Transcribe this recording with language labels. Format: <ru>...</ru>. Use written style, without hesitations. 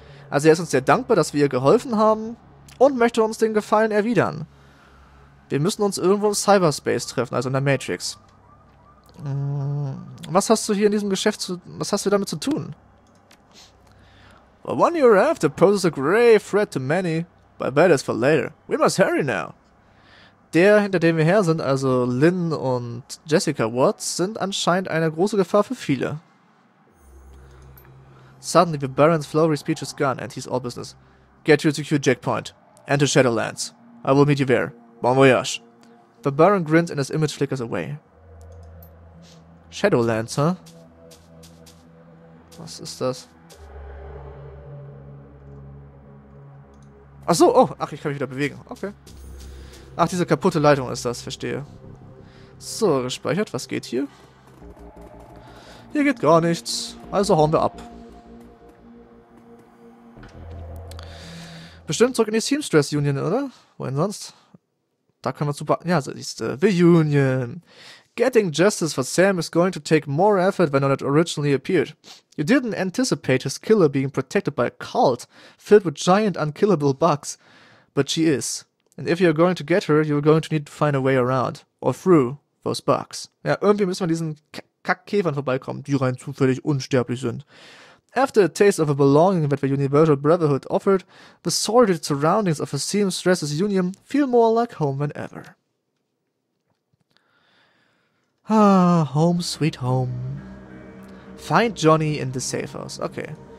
<de>Also er ist uns sehr dankbar, dass wir ihr geholfen haben und möchte uns den Gefallen erwidern. Wir müssen uns irgendwo im Cyberspace treffen, also in der Matrix. Was hast du hier in diesem Geschäft zu... Was hast du damit zu tun?</de> <en>The one you're after poses a grave threat to many. But that is for later. We must hurry now.</en> <de>Der, hinter dem wir her sind, also Lynn und Jessica Watts, sind anscheinend eine große Gefahr für viele.</de> <en>Suddenly the Baron's flowery speech is gone and he's all business. Get to a secure checkpoint. Enter Shadowlands. I will meet you there. Bon voyage. The Baron grins and his image flickers away. Shadowlands, huh?</en> <de>Was ist das? Achso, oh, ach, ich kann mich wieder bewegen. Okay. Ach, diese kaputte Leitung ist das, verstehe. So, gespeichert, was geht hier? Hier geht gar nichts, also hauen wir ab. Bestimmt zurück in die Seamstress Union, oder? Wohin sonst? Da können wir super... Ja, das ist die Union.</de> <en>Getting justice for Sam is going to take more effort than when it originally appeared. You didn't anticipate his killer being protected by a cult filled with giant unkillable bugs, but she is. And if you're going to get her, you're going to need to find a way around. Or through those bugs.</en> <de>Ja, irgendwie müssen wir an diesen Kackkäfern vorbeikommen, die rein zufällig unsterblich sind.</de> <en>After a taste of a belonging that the Universal Brotherhood offered, the sordid surroundings of a seamstress's union feel more like home than ever. Ah, home sweet home. Find Johnny in the safe house. Okay.</en>